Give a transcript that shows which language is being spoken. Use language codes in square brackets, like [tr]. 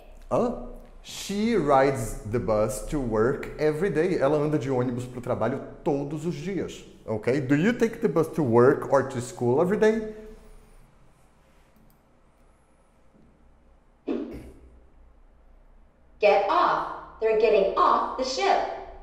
[en] Oh, she rides the bus to work every day. [pt] Ela anda de ônibus para o trabalho todos os dias. Ok? [en] Do you take the bus to work or to school every day? Get off. They're getting off the ship.